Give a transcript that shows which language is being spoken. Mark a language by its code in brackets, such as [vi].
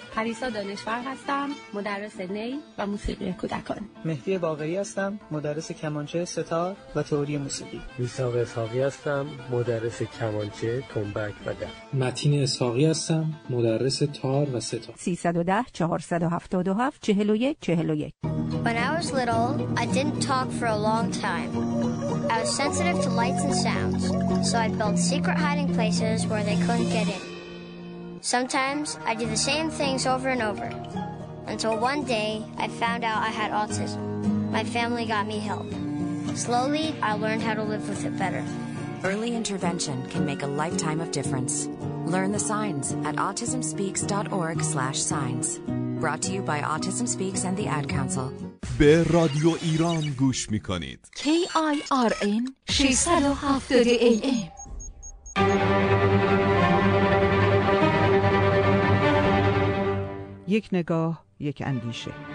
[fa] پریسا دانشور هستم، مدرس نی و موسیقی کودکان. مهدی باقری هستم، مدرس کمانچه، ستار و تئوری موسیقی. میثاق اسحاقی هستم، مدرس کمانچه، تنبک و دف. متین اسحاقی هستم، مدرس تار و ستار. 310-477-4141. [en] When I was little, I didn't talk for a long time. I was sensitive to lights and sounds, so I built secret hiding places where they couldn't get in. Sometimes I do the same things over and over until one day I found out I had autism. My family got me help. Slowly, I learned how to live with it better. Early intervention can make a lifetime of difference. Learn the signs at autismspeaks.org/signs. Brought to you by Autism Speaks and the Ad Council. [fa] به رادیو ایران گوش میکنید. [en] KIRN 670 AM. [fa] یک نگاه، یک اندیشه.